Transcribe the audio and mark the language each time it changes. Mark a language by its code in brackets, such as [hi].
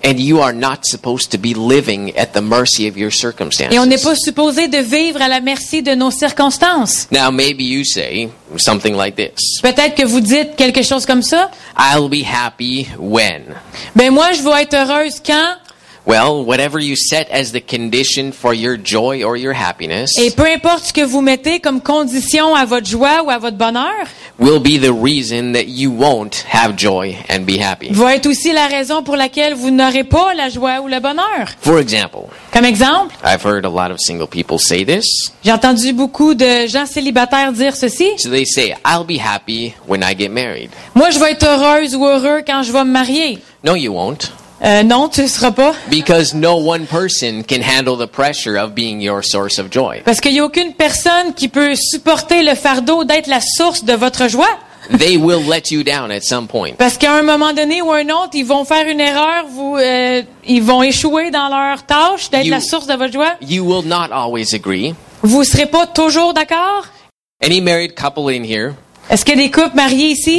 [en] And you are not supposed to be living at the mercy of your circumstances. [fr] Et on n'est pas supposé de vivre à la merci de nos circonstances. [en] Now maybe you say something like this. [fr] Peut-être que vous dites quelque chose comme ça. [en] I'll be happy when. [fr] Ben moi je vais être heureuse quand. [en] Well, whatever you set as the condition for your joy or your happiness, [fr] et peu importe ce que vous mettez comme condition à votre joie ou à votre bonheur, [en] will be the reason that you won't have joy and be happy. [fr] Va être aussi la raison pour laquelle vous n'aurez pas la joie ou le bonheur. [en] For example, [fr] comme exemple, [en] I've heard a lot of single people say this. [fr] J'ai entendu beaucoup de gens célibataires dire ceci. [en] So they say, I'll be happy when I get married. [fr] Moi, je vais être heureuse ou heureux quand je vais me marier. [en] No, you won't. [fr] Non, tu ne seras pas. [en] Because no one person can handle the pressure of being your source of joy. [fr] Parce qu'il n'y a aucune personne qui peut supporter le fardeau d'être la source de votre joie. [en] They will let you down at some point. [fr] Parce qu'à un moment donné ou un autre, ils vont faire une erreur, ils vont échouer dans leur tâche d'être la source de votre joie. [en] You will not always agree. [fr] Vous ne serez pas toujours d'accord. [en] Any married couple in here? [fr] Est-ce qu'il y a des couples mariés ici?